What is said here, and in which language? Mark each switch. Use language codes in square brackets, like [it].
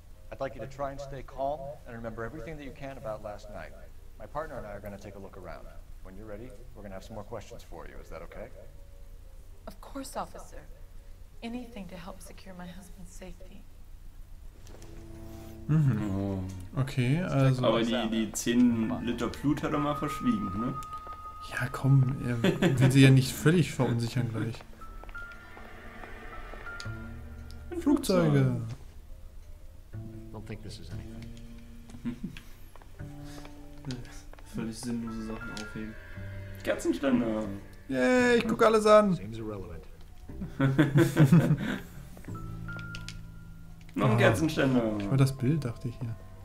[en] I'd like you to try and stay calm and remember everything that you can about last night. My partner and I are going to take a look around. When you're ready, we're going to have some more questions for you. Is that okay? Of course, officer. Anything to help secure my husband's safety. [de] Mhm. Okay, also. Aber die 10 Liter Blut hat er mal verschwiegen, ne? Ja, komm, er will sie ja nicht völlig verunsichern gleich. Flugzeuge! [en] Don't think this is anything. [de] Völlig sinnlose Sachen aufheben. Kerzenständer! Yay, ich guck alles an! [en] Seems irrelevant. [de] Noch ein Kerzenständer. Ich wollte das Bild, dachte ich hier.